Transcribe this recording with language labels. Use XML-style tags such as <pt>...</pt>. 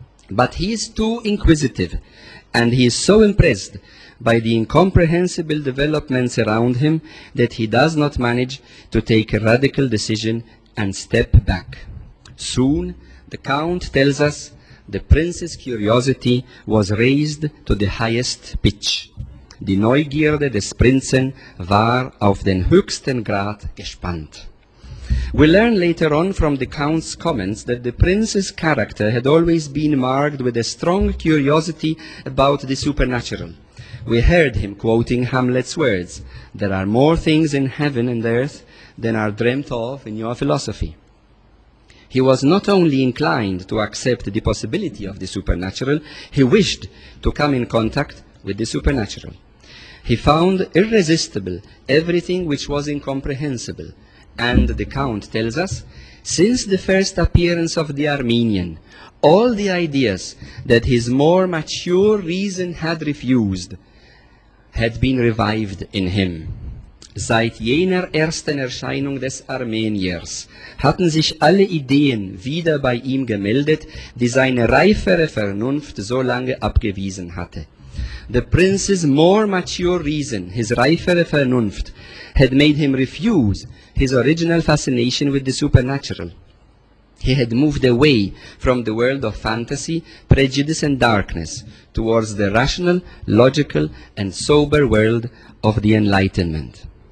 <en>But he is too inquisitive, and he is so impressed by the incomprehensible developments around him that he does not manage to take a radical decision and step back. Soon, the count tells us, the prince's curiosity was raised to the highest pitch.</en> <de>Die Neugierde des Prinzen war auf den höchsten Grad gespannt.</de> <en>We learn later on from the Count's comments that the prince's character had always been marked with a strong curiosity about the supernatural. We heard him quoting Hamlet's words, "There are more things in heaven and earth than are dreamt of in your philosophy." He was not only inclined to accept the possibility of the supernatural, he wished to come in contact with the supernatural. He found irresistible everything which was incomprehensible, and the Count tells us, since the first appearance of the Armenian, all the ideas that his more mature reason had refused had been revived in him.</en> <de>Seit jener ersten Erscheinung des Armeniers hatten sich alle Ideen wieder bei ihm gemeldet, die seine reifere Vernunft so lange abgewiesen hatte.</de> <en>The prince's more mature reason, his</en> <de>reifere Vernunft,</de> <en>had made him refuse his original fascination with the supernatural. He had moved away from the world of fantasy, prejudice and darkness towards the rational, logical and sober world of the Enlightenment.</en>